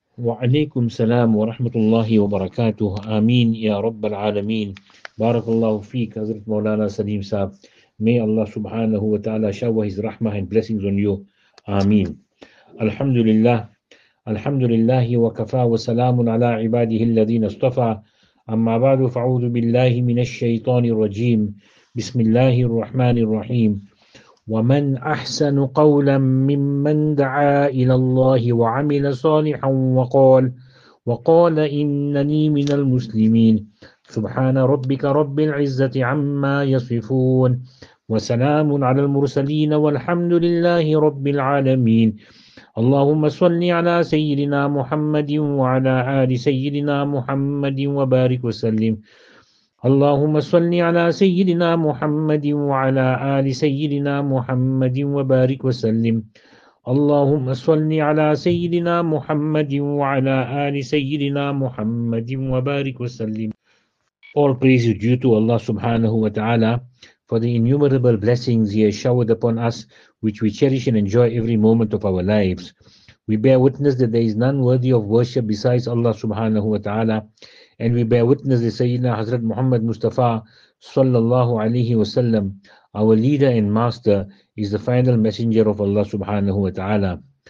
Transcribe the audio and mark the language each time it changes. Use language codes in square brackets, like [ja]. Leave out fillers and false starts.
[ar] وعليكم السلام ورحمة الله وبركاته. آمين يا رب العالمين. بارك الله فيك حضرت مولانا سليم صاحب. [en] May Allah subhanahu wa ta'ala shower his rahmah and blessings on you. [ar] Ameen. Alhamdulillah. Alhamdulillah wa kafa wa salamun ala ibadihi alladhina astafa. Amma ba'du fa'udhu billahi minash shaytanir rajim. Bismillahir rahmanir rahim. Wa man ahsanu qawlan mimman da'a ila Allahi wa 'amila salihan wa qala innani minal muslimin. سبحان ربك رب العزة عما يصفون وسلام على المرسلين والحمد لله رب العالمين اللهم صل على سيدنا محمد وعلى آل سيدنا محمد وبارك وسلم اللهم صل على سيدنا محمد وعلى آل سيدنا محمد وبارك وسلم اللهم صل على سيدنا محمد وعلى آل سيدنا محمد وبارك وسلم. [en] All praise is due to Allah subhanahu wa ta'ala for the innumerable blessings He has showered upon us, which we cherish and enjoy every moment of our lives. We bear witness that there is none worthy of worship besides Allah subhanahu wa ta'ala, and we bear witness that Sayyidina Hazrat Muhammad Mustafa sallallahu alayhi wa sallam, our leader and master, is the final messenger of Allah subhanahu wa ta'ala.